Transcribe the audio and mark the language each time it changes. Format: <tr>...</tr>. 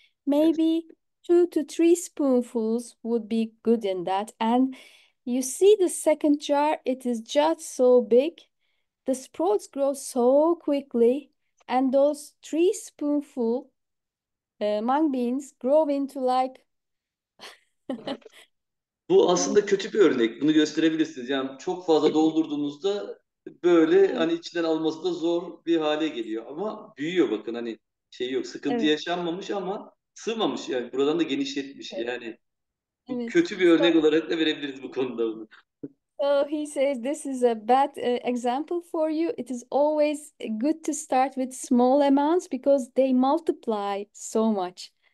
<en>Maybe 2 to 3 spoonfuls would be good in that. And you see the second jar, it is just so big. The sprouts grow so quickly. And those 3 spoonful mung beans grow into like</en> <tr>Bu aslında kötü bir örnek. Bunu gösterebilirsiniz. Yani çok fazla doldurduğunuzda böyle hani içinden alması da zor bir hale geliyor. Ama büyüyor bakın, hani şey yok, sıkıntı yaşanmamış ama sığmamış. Yani buradan da genişletmiş. Yani bu kötü bir örnek olarak da verebiliriz bu konuda bunu.</tr> <en>So he says this is a bad example for you. It is always good to start with small amounts because they multiply so much.</en>